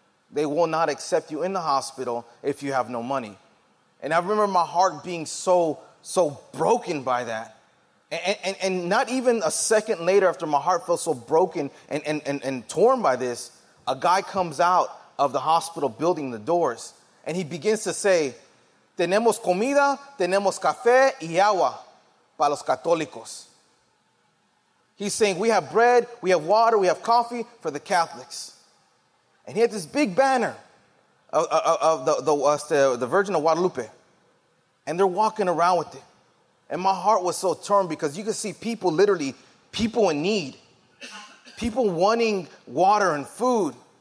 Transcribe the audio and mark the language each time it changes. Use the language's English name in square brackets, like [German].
[English] They will not accept you in the hospital if you have no money. And I remember my heart being so broken by that. And not even a second later after my heart felt so broken and torn by this, a guy comes out of the hospital building the doors. And he begins to say, [Spanish] tenemos comida, tenemos café y agua para los católicos. [English] He's saying, we have bread, we have water, we have coffee for the Catholics. And he had this big banner of the Virgin of Guadalupe. And they're walking around with it. And my heart was so torn because you could see people, literally people in need, people wanting water and food.